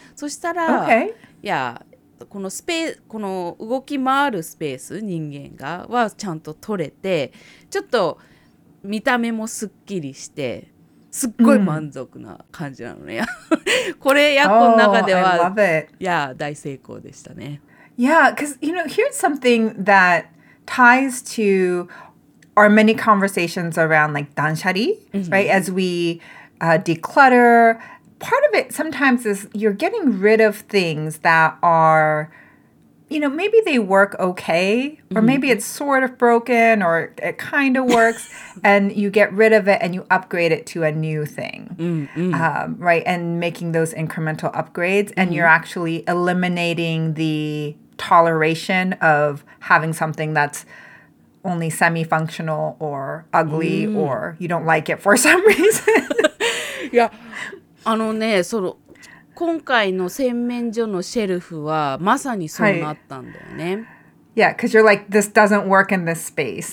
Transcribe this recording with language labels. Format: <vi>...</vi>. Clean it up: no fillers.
<ja>そしたら、このスペース、この動き回るスペース、人間がはちゃんと取れて、ちょっと見た目もすっきりして、すっごい満足な感じなのね。これやっこの中では、大成功でしたね。</ja> <en>Yeah, because you know, here's something thatties to our many conversations around like danshari, right? As we declutter, part of it sometimes is you're getting rid of things that are, you know, maybe they work okay, or maybe it's sort of broken, or it kind of works, and you get rid of it and you upgrade it to a new thing, right? And making those incremental upgrades, and you're actually eliminating the... toleration of having something that's only semi-functional or ugly or you don't like it for some reason.</en> <ja>いや、あのね、その今回の洗面所のシェルフはまさにそうなったんだよね。</ja> <en>はい、yeah, because you're like, this doesn't work in this space.</en>